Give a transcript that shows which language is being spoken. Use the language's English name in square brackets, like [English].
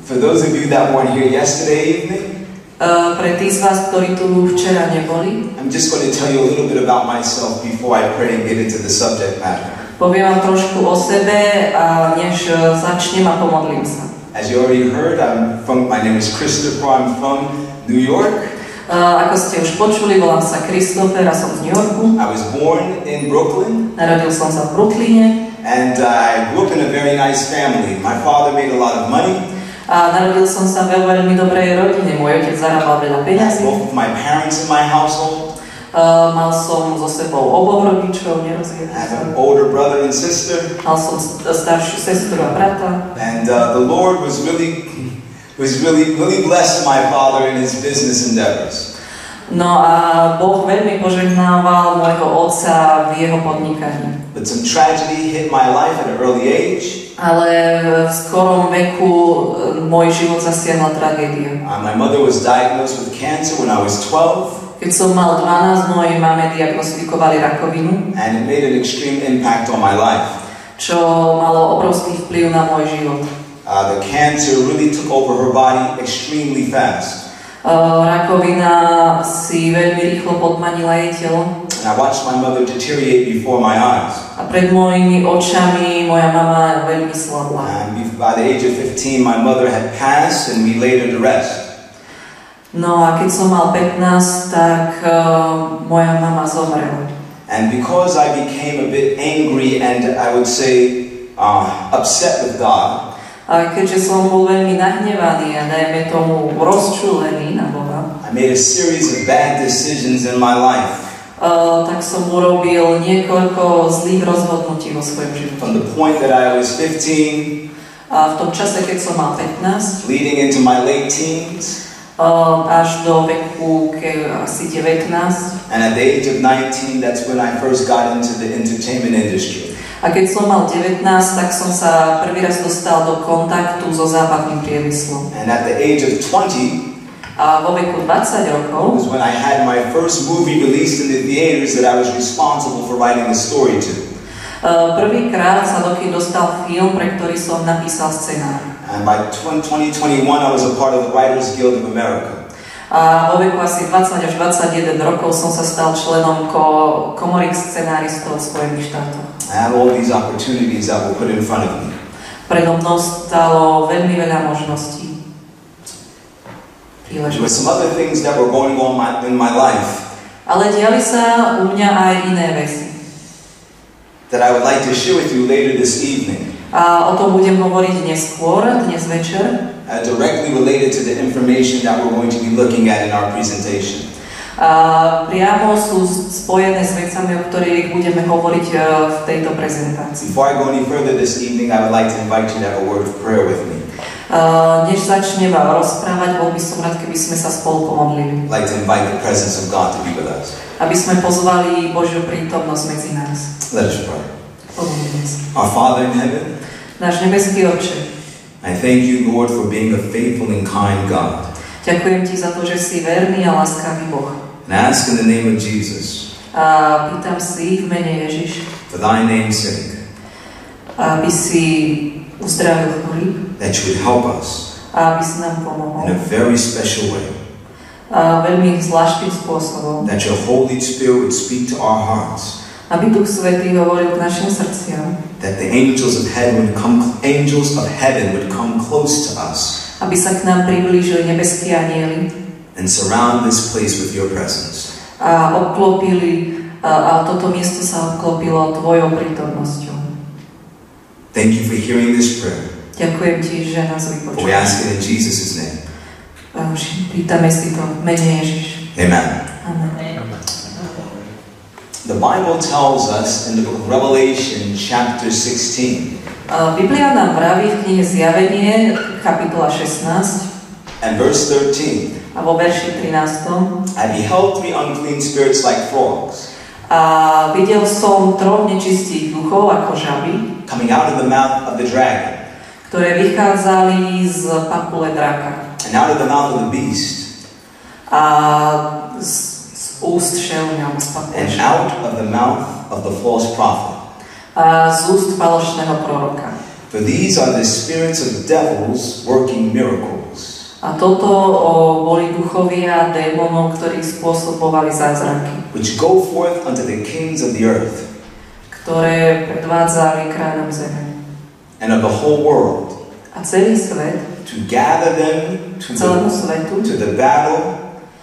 [English] For those of you that weren't here yesterday evening, [Slovak] pre tí z vás, ktorí tu včera neboli, [English] I'm just going to tell you a little bit about myself before I pray and get into the subject matter. [Slovak] Poviem vám trošku o sebe, a než začnem a pomodlím sa. [English] As you already heard, my name is Christopher, I'm from New York. [Slovak] Ako ste už počuli, volám sa Christopher, a som z New Yorku. [English] I was born in Brooklyn. [Slovak] Narodil som sa v Brooklyne. [English] And I grew up in a very nice family. My father made a lot of money. [Slovak] Narodil som sa vo veľmi dobrej rodine. Môj otec zarábal veľa peniazy. [English] Both of my parents in my household. [Slovak] Mal som so sebou oboch rodičov, nerozjedná. [English] I have an older brother and sister. [Slovak] Mal som staršiu sestru a brata. [English] And the Lord was really blessed my father in his business endeavors. [Slovak] No a Boh veľmi požehnával môjho otca v jeho podnikaní. [English] But some tragedy hit my life at an early age. [Slovak] Ale v skorom veku môj život zasiahla tragédia. [English] My mother was diagnosed with cancer when I was 12. [Slovak] Keď som mal 12, mojej mame diagnostikovali rakovinu. [English] And it made an extreme impact on my life. [Slovak] Čo malo obrovský vplyv na môj život. [English] The cancer really took over her body extremely fast. [Slovak] Rakovina si veľmi rýchlo podmanila jej telo. [English] And I watched my mother deteriorate before my eyes. [Slovak] A pred mojimi očami moja mama veľmi slabla. [English] And by the age of 15, my mother had passed and we laid her to rest. [Slovak] No a keď som mal 15, tak moja mama zomrela. [English] And because I became a bit angry and I would say upset with God. [Slovak] A keďže som bol veľmi nahnevaný a najmä tomu rozčúlený na Boha. [English] I made a series of bad decisions in my life. [Slovak] Tak som urobil niekoľko zlých rozhodnutí vo svojom živote. [English] From the point that I was 15. [Slovak] A v tom čase, keď som mal 15. [English] Leading into my late teens. [Slovak] Až do veku, keď asi 19. [English] And at the age of 19, that's when I first got into the entertainment industry. [Slovak] A keď som mal 19, tak som sa prvý raz dostal do kontaktu so západným priemyslom. [English] And at the age of 20, [Slovak] a vo veku 20 rokov, [English] was when I had my first movie released in the theaters that I was responsible for writing the story to. [Slovak] Prvýkrát sa do kin dostal film, pre ktorý som napísal scenár. [English] And by 2021, I was a part of the Writers Guild of America. [Slovak] A vo veku asi 20 až 21 rokov som sa stal členom komory scenáristov v Spojených štátoch. [English] I had all these opportunities that were put in front of me. [Slovak] Predo mnou stalo veľmi veľa možností. [English] There were some other things that were going on in my life. [Slovak] Ale diali sa u mňa aj iné veci. [English] That I would like to share with you later this evening. [Slovak] A o tom budem hovoriť neskôr, dnes večer. [English] Directly related to the information that we're going to be looking at in our presentation. [Slovak] Priamo sú spojené s vecami, o ktorých budeme hovoriť v tejto prezentácii. [English] Before I go any further this evening, I would like to invite you to have a word of prayer with me. [Slovak] Než začnem vám rozprávať, bol by som rád, keby sme sa spolu pomodlili. [English] I'd like to invite the presence of God to be with us. [Slovak] Aby sme pozvali Božiu prítomnosť medzi nás. [English] Let us pray. Our Father in heaven, [Slovak] náš nebeský Otče, [English] I thank you, Lord, for being a faithful and kind God. [Slovak] Ďakujem ti za to, že si verný a láskavý Boh. [English] And ask in the name of Jesus. [Slovak] A pýtam si v mene Ježiš. [English] For thy name's sake. [Slovak] Aby si uzdravil chorých. [English] That you would help us. [Slovak] Aby si nám pomohol. [English] In a very special way. [Slovak] veľmi zvláštnym spôsobom. [English] That your Holy Spirit would speak to our hearts. [Slovak] Aby Duch Svätý hovoril k našim srdciam. [English] That the angels of heaven would come, angels of heaven would come close to us. [Slovak] Aby sa k nám priblížili nebeskí anjeli. [English] And surround this place with your presence. [Slovak] A obklopili, a toto miesto sa obklopilo tvojou prítomnosťou. [English] Thank you for hearing this prayer. [Slovak] Ďakujem ti, že nás vypočul. [English] We ask it in Jesus' name. [Slovak] Pýtame si to v mene Ježiš. [English] Amen. The Bible tells us in the book of Revelation, chapter 16. [Slovak] Biblia nám praví v knihe Zjavenie, kapitola 16. [English] And verse 13. [Slovak] A vo verši 13. [English] I beheld three unclean spirits like frogs. [Slovak] A videl som troch nečistých duchov ako žaby. [English] Coming out of the mouth of the dragon. [Slovak] Ktoré vychádzali z papule draka. [English] And out of the mouth of the beast. [Slovak] A z úst šelmia, z papule. [English] And out of the mouth of the false prophet. [Slovak] A z úst falošného proroka. [English] For these are the spirits of devils working miracles. [Slovak] A toto boli duchovia démonov, ktorí spôsobovali zázraky. [English] Which go forth unto the kings of the earth. [Slovak] Ktoré predvádzali kráľom zeme. [English] And of the whole world. [Slovak] A celý svet. [English] To gather them to the battle.